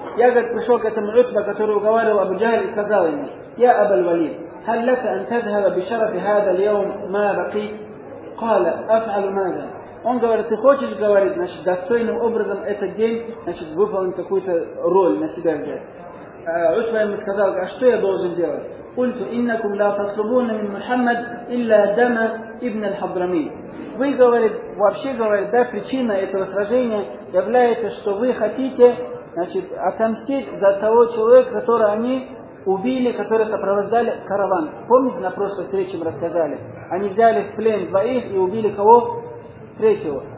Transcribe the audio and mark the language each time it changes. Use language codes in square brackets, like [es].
[ru] Я, говорит, пришел к этому Утба, который уговаривал Абу Джахль, и сказал ему, я Абаль-Валид. [ar] هل لك أن تذهب بشرف هذا اليوم ما بقيت؟ قال أفعل ماذا؟ [ru] он говорит, ты хочешь, говорит, значит, достойным образом этот день, значит, выполнить какую-то роль на себя взять. Утба ему сказал, а что я должен делать? [ar] قلت إنكم لا تطلبون من محمد إلا دم ابن الحضرمي. [ru] Вы, говорит, вообще, говорит, да, причина этого сражения является, что вы хотите, значит, отомстить за того человека, которого они убили, которые сопровождали караван. Помните, на прошлой встрече мы рассказали? Они взяли в плен двоих и убили кого? Третьего.